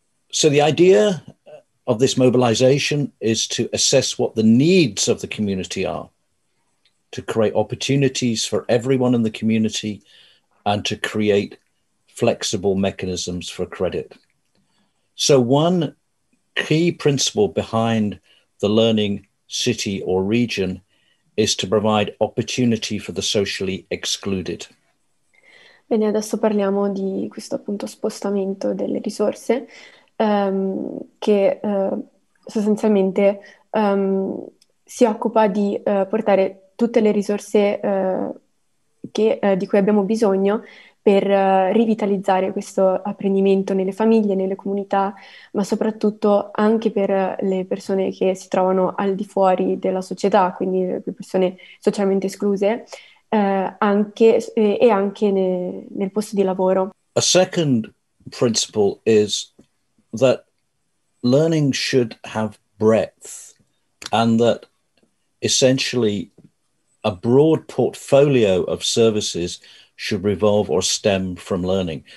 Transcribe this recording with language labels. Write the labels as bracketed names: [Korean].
[English] So the idea of this mobilization is to assess what the needs of the community are, to create opportunities for everyone in the community, and to create flexible mechanisms for credit. So one key principle behind the learning city or region is to provide opportunity for the socially excluded. [Italian] Bene, adesso parliamo di questo appunto spostamento delle risorse che sostanzialmente si occupa di portare tutte le risorse di cui abbiamo bisogno per rivitalizzare questo apprendimento nelle famiglie, nelle comunità, ma soprattutto anche per le persone che si trovano al di fuori della società, quindi le persone socialmente escluse, nel posto di lavoro. [English] A second principle is that learning should have breadth and that essentially a broad portfolio of services should revolve or stem from learning.